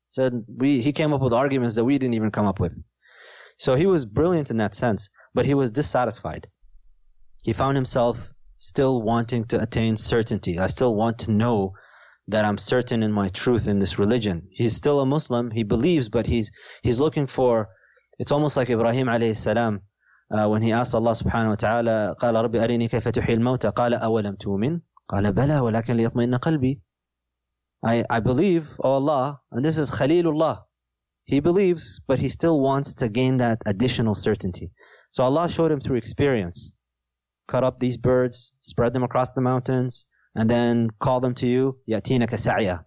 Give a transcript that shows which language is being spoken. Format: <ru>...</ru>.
<en>So he came up with arguments that we didn't even come up with. So he was brilliant in that sense, but he was dissatisfied. He found himself still wanting to attain certainty. I still want to know that I'm certain in my truth in this religion. He's still a Muslim. He believes, but he's looking for... It's almost like Ibrahim alayhi salam when he asked Allah subhanahu wa ta'ala,</en> <ar>قَالَ رَبِّ أَرِنِي كَيْفَ تُحِي الْمَوْتَ قَالَ أَوَلَمْ تُؤْمِنْ قَالَ بَلَى وَلَكَنْ لِيَطْمَئِنَّ قَلْبِي.</ar> <en>I believe, oh Allah, and this is Khalilullah. He believes, but he still wants to gain that additional certainty. So Allah showed him through experience. Cut up these birds, spread them across the mountains, and then call them to you,</en> <ar>يَأْتِينَ كَسَعْيَا.</ar>